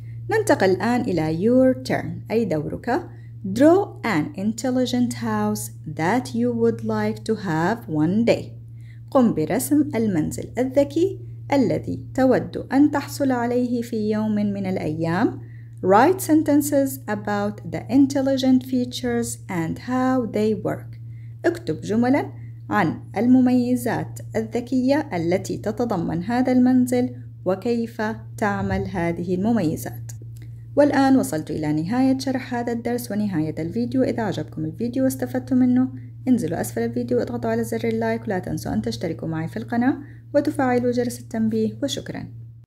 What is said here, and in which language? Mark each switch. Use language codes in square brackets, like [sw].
[ar] ننتقل الآن إلى [en] your turn. [ar] أي دورك. [en] Draw an intelligent house that you would like to have one day. [ar] قم برسم المنزل الذكي الذي تود أن تحصل عليه في يوم من الأيام. [en] Write sentences about the intelligent features and how they work. [ar] اكتب جملاً عن المميزات الذكية التي تتضمن هذا المنزل وكيف تعمل هذه المميزات. والآن وصلت إلى نهاية شرح هذا الدرس ونهاية الفيديو. إذا أعجبكم الفيديو واستفدتم منه انزلوا أسفل الفيديو واضغطوا على زر اللايك ولا تنسوا أن تشتركوا معي في القناة وتفعلوا جرس التنبيه وشكراً.